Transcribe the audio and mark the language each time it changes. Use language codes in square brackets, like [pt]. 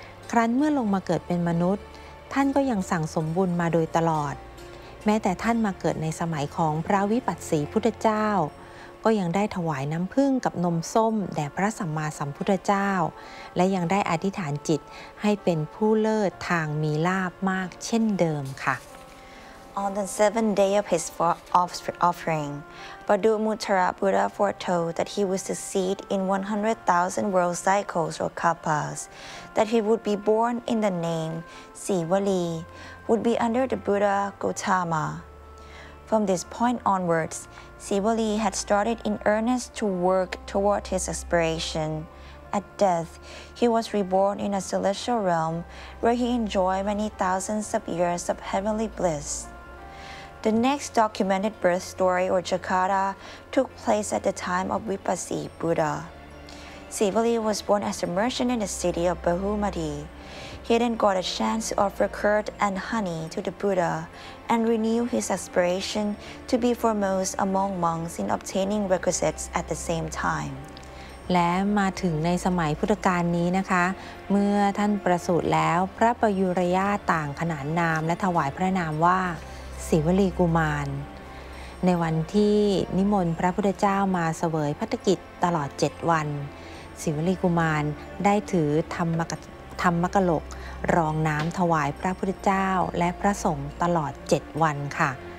[th] ครั้นเมื่อลงมาเกิดเป็นมนุษย์ท่านก็ยังสั่งสมบุญมาโดยตลอดแม้แต่ท่านมาเกิดในสมัยของพระวิปัสสีพุทธเจ้าก็ยังได้ถวายน้ำผึ้งกับนมส้มแด่พระสัมมาสัมพุทธเจ้าและยังได้อธิษฐานจิตให้เป็นผู้เลิศทางมีลาภมากเช่นเดิมค่ะ [en] On the seventh day of his offering, Patthumuttara Buddha foretold that he would succeed in 100,000 world cycles or kalpas, that he would be born in the name Sivali, would be under the Buddha Gautama. From this point onwards,Sivali had started in earnest to work toward his aspiration. At death, he was reborn in a celestial realm where he enjoyed many thousands of years of heavenly bliss. The next documented birth story, or Jakarta, took place at the time of Vipassi Buddha. Sivali was born as a merchant in the city of Bahumadi. He then got a chance to offer curd and honey to the Buddha,and renew his aspiration to be foremost among monks in obtaining requisites at the same time. [th] และมาถึงในสมัยพุทธกาลนี้นะคะเมื่อท่านประสูติแล้วพระประยุรยาต่างขนานนามและถวายพระนามว่าสิวลีกุมารในวันที่นิมนต์พระพุทธเจ้ามาเสวยภัตตกิจตลอด7วันสิวลีกุมารได้ถือธรรมกโลกรองน้ำถวายพระพุทธเจ้าและพระสงฆ์ตลอด7วันค่ะ